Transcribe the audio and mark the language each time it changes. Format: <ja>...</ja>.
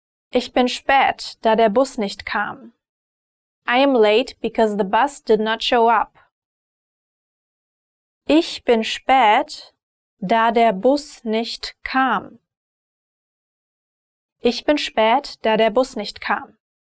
<de>Ich bin spät, da der Bus nicht kam.</de> <en>I am late because the bus did not show up.</en> <de>Ich bin spät, da der Bus nicht kam. Ich bin spät, da der Bus nicht kam.</de>